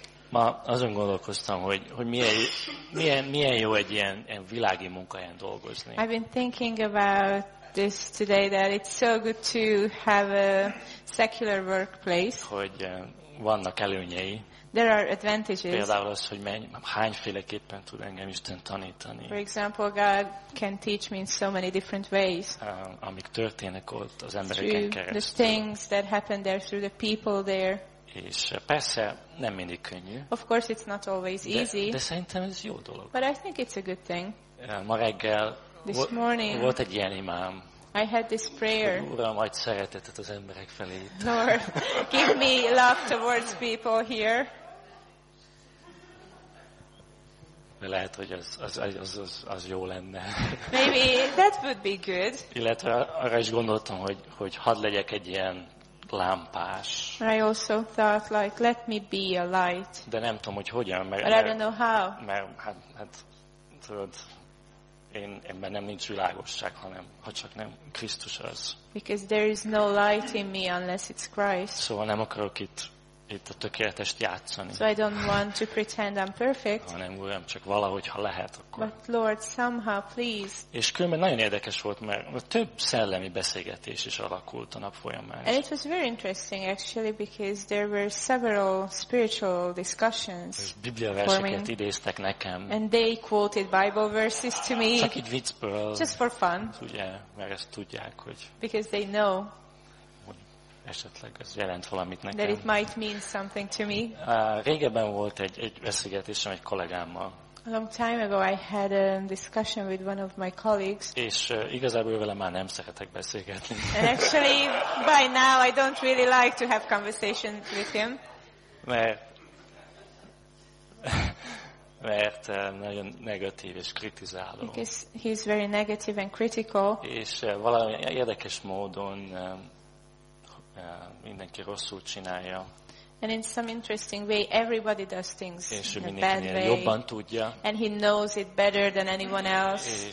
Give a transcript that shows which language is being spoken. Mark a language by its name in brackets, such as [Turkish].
[Hungarian] Ma azon gondolkoztam, hogy milyen jó egy ilyen világi munkahelyen dolgozni. [English] I've been thinking about this today, that it's so good to have a secular workplace. [Hungarian] Hogy vannak előnyei. [English] There are advantages. [Hungarian] Például az, hogy hányféleképpen tud engem Isten tanítani. [English] For example, God can teach me in so many different ways. [Hungarian] Amik történnek ott az embereken keresztül. [English] The things that happen there through the people there. [Hungarian] És persze nem mindig könnyű. [English] Of course it's not always easy. [Hungarian] De szerintem ez jó dolog. [English] But I think it's a good thing. [Hungarian] Ma reggel volt egy ilyen imám. [English] I had this prayer. [Hungarian] Uram, adj szeretetet az emberek felé. [English] Lord, give me love towards people here. [Hungarian] De lehet, hogy az jó lenne. [English] Maybe that would be good. [Hungarian] Illetve arra is gondoltam, hogy hadd legyek egy ilyen lámpás. [English] I also thought, like, let me be a light. [Hungarian] De nem tudom, hogy hogyan. Mert, [English] but I don't know how. [Hungarian] Mert tudod, én ebben nem nincs világosság, hanem ha csak nem Krisztus az. [English] Because there is no light in me unless it's Christ. [Hungarian] Szóval nem akarok itt a tökéletest játszani. [English] So I don't want to pretend I'm perfect. [Hungarian] Hanem Uram, csak valahogy, ha lehet, akkor. [English] But Lord, somehow, please. [Hungarian] És különben nagyon érdekes volt, mert több szellemi beszélgetés is alakult a nap folyamán. [English] And it was very interesting, actually, because there were several spiritual discussions. [Hungarian] És Biblia verseket idéztek nekem. [English] And they quoted Bible verses to me. [Hungarian] Csak így viccből. [English] Just for fun. [Hungarian] Ugye, mert ezt tudják, hogy. [English] Because they know. [Hungarian] Esetleg ez jelent valamit nekem. [English] That it might mean something to me. [Hungarian] Régebben volt egy beszélgetésem egy kollégámmal. [English] A long time ago I had a discussion with one of my colleagues. [Hungarian] És igazából vele már nem szeretek beszélgetni. [English] And actually, by now I don't really like to have conversations with him. [Hungarian] Mert nagyon negatív és kritizáló. [English] Because he's very negative and critical. [Hungarian] És valami érdekes módon mindenki rosszul csinálja. [English] And in some interesting way, everybody does things in a bad way. [Hungarian] Jobban tudja. [English] And he knows it better than anyone else.